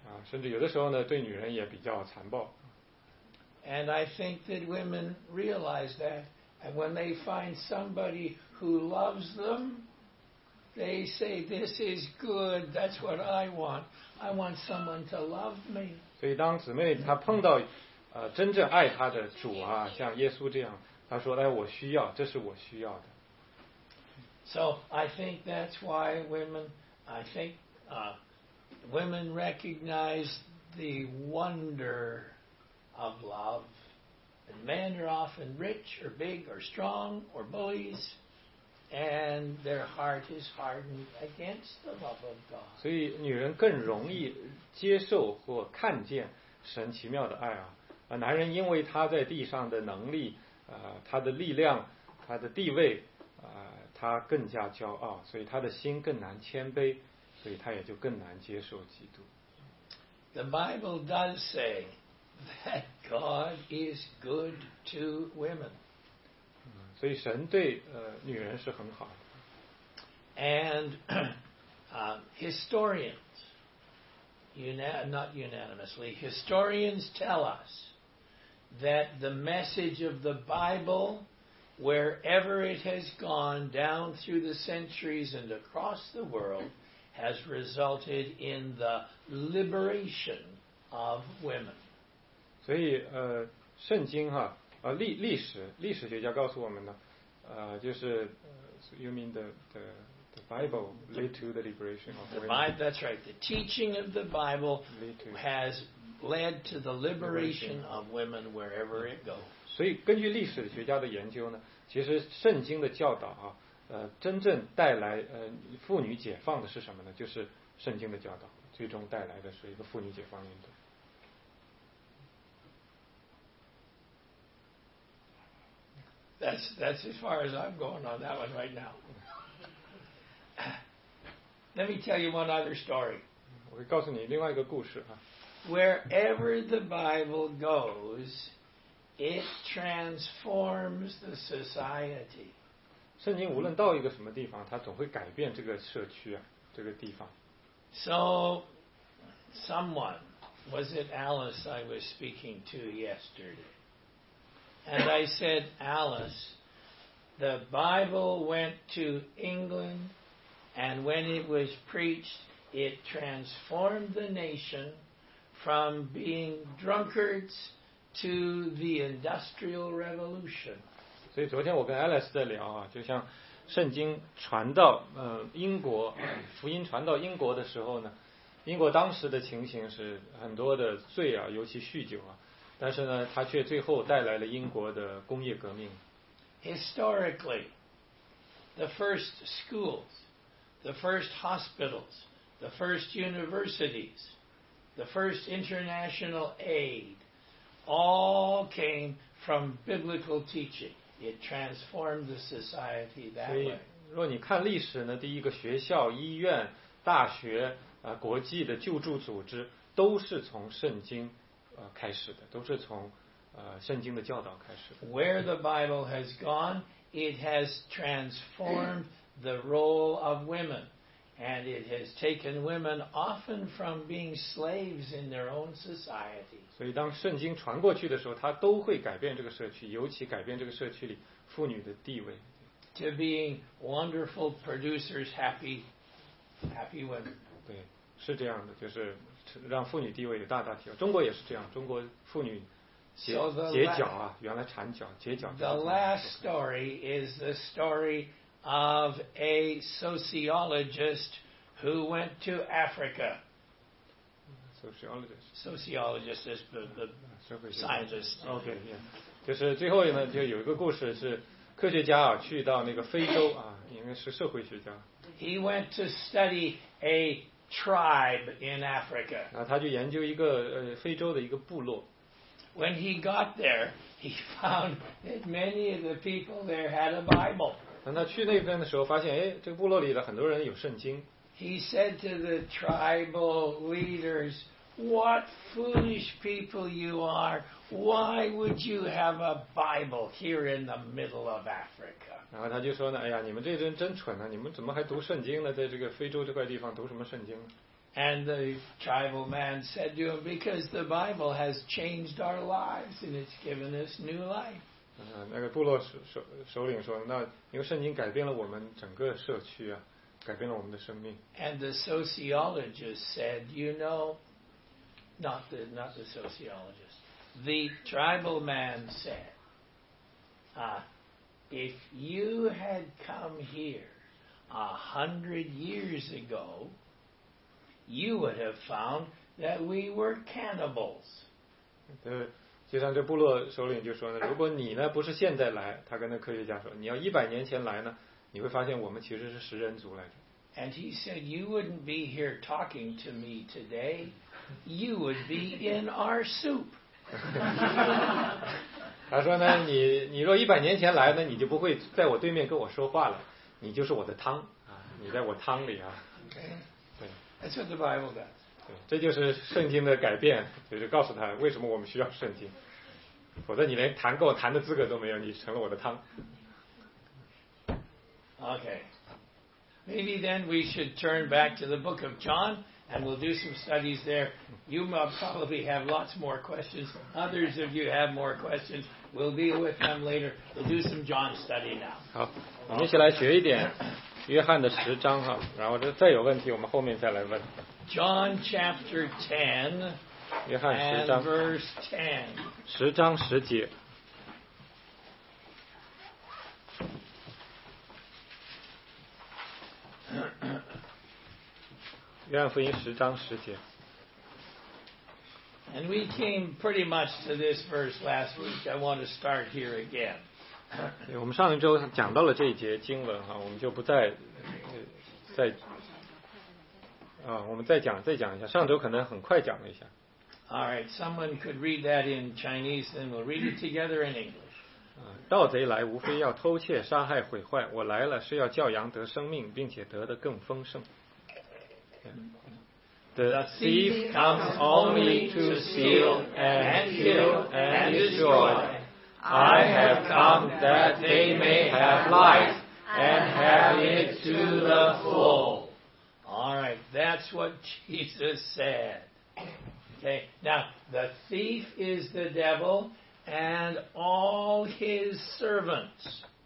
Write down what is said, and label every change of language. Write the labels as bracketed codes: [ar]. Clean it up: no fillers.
[zh] 甚至有的时候呢，对女人也比较残暴。 [en] And I think that women realize that. And when they find somebody who loves them, they say, this is good, that's what I want. I want someone to love me. [zh] 所以当姊妹她碰到真正爱她的主啊，像耶稣这样，她说，哎，我需要，这是我需要的。 [en] So I think that's why women recognize the wonder of love. And men are often rich or big or strong or bullies, and their heart is hardened against the love of God. [zh] 所以女人更容易接受或看见神奇妙的爱啊。男人因为他在地上的能力，他的力量，他的地位，他更加骄傲，所以他的心更难谦卑，所以他也就更难接受基督。 [en] The Bible does say that God is good to women. [zh] 所以神对女人是很好的。 [en] And historians, not unanimously, historians tell us that the message of the Bible. Wherever it has gone down through the centuries and across the world, has resulted in the liberation of women. [zh] 所以圣经哈，历史学家告诉我们呢，就是 [en] you mean the Bible led to the liberation of women. That's right. The teaching of the Bible has led to the liberation of women wherever it goes. [zh] 所以根据历史学家的研究呢。其实圣经的教导啊，真正带来妇女解放的是什么呢？就是圣经的教导，最终带来的是一个妇女解放运动。 [en] That's as far as I'm going on that one right now. Let me tell you one other story. [zh] 我会告诉你另外一个故事啊。 [en] Wherever the Bible goes. It transforms the society. [zh] 圣经无论到一个什么地方，它总会改变这个社区啊，这个地方。 [en] So, someone, was it Alice I was speaking to yesterday? And I said, Alice, the Bible went to England, and when it was preached, it transformed the nation from being drunkards. To the Industrial Revolution. [zh] 所以昨天我跟 Alice 在聊啊，就像圣经传到英国，福音传到英国的时候呢，英国当时的情形是很多的罪啊，尤其酗酒啊，但是呢，它却最后带来了英国的工业革命。 [en] Historically, the first schools, the first hospitals, the first universities, the first international aid, all came from biblical teaching. It transformed the society that way. [zh] 所以，如果你看历史呢，第一个学校、医院、大学。国际的救助组织都是从圣经开始的，都是从圣经的教导开始的。 [en] Where the Bible has gone, it has transformed the role of women, and it has taken women often from being slaves in their own society. [zh] 所以当圣经传过去的时候，它都会改变这个社区，尤其改变这个社区里妇女的地位。 [en] To being wonderful producers, happy women. [zh] 对，是这样的，就是让妇女地位有大大提高。中国也是这样，中国妇女结脚啊，原来缠脚，结脚。 [en] The last story is the story of a sociologist who went to Africa. Sociologist is the scientist. Okay, yeah. [zh] 就是最后呢，就有一个故事是科学家啊去到那个非洲啊，应该是社会学家。 [en] He went to study a tribe in Africa. [zh] 啊，他就研究一个非洲的一个部落。 [en] When he got there, he found that many of the people there had a Bible. [zh] 当他去那边的时候，发现哎，这个部落里的很多人有圣经。 [en] He said to the tribal leaders, "What foolish people you are! Why would you have a Bible here in the middle of Africa?" [zh] 然后他就说呢，哎呀，你们这人真蠢啊！你们怎么还读圣经呢？在这个非洲这块地方读什么圣经？ [en] And the tribal man said to him, "Because the Bible has changed our lives and it's given us new life." [zh] 那个部落首领说，那因为圣经改变了我们整个社区啊，改变了我们的生命。 [en] And the sociologist said, "You know." Not the sociologist. The tribal man said, "If you had come here 100 years ago, you would have found that we were cannibals." [zh] 就像这部落首领就说呢，如果你呢不是现在来，他跟那科学家说，你要100年前来呢，你会发现我们其实是食人族来着。 [en] And he said, "You wouldn't be here talking to me today." You would be in our soup. [zh] 他说呢，你若100年前来呢，你就不会在我对面跟我说话了，你就是我的汤啊，你在我汤里啊。 [en] Okay. [zh] 对 [en] ，That's what the Bible does. [zh] 对，这就是圣经的改变，就是告诉他为什么我们需要圣经，否则你连谈跟我谈的资格都没有，你成了我的汤。 [en] Okay. Maybe then we should turn back to the book of John. And we'll do some studies there. You probably have lots more questions. Others of you have more questions. We'll deal with them later. We'll do some John study now. [zh] 好，我们一起来学一点约翰的十章哈。然后再有问题，我们后面再来问。 [en] John chapter 10, [zh] 约翰十章 [en] verse 10. [zh] 十章十节。约翰福音十章十节。 [en] And we came pretty much to this verse last week. I want to start here again. [zh] 我们上一周讲到了这一节经文哈，我们就不再我们再讲一下。上周可能很快讲了一下。 [en] All right, someone could read that in Chinese, and we'll read it together in English. [zh] 盗贼来，无非要偷窃、杀害、毁坏。我来了，是要叫羊得生命，并且得的更丰盛。 [en] The thief comes only to steal and kill and destroy. I have come that they may have life and have it to the full. All right, that's what Jesus said. Okay, now the thief is the devil and all his servants.